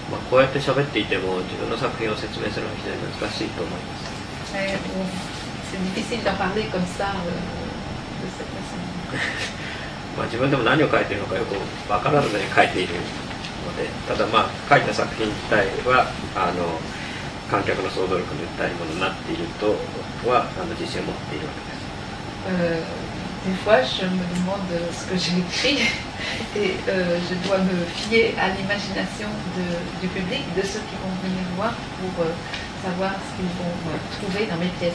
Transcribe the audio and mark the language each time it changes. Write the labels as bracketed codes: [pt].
[ja] こうやって喋っていても自分の作品を説明するのは非常に難しいと思います。 [fr] C'est difficile d'en parler comme ça, de cette façon. [ja] 自分でも何を書いているのかよく分からずに書いているので、ただ書いた作品自体は、観客の想像力に訴えるものになっているとは自信を持っているわけです。 [fr] Des fois, je me demande ce que j'ai écrit et je dois me fier à l'imagination du public, de ceux qui vont venir voir pour savoir ce qu'ils vont trouver dans mes pièces.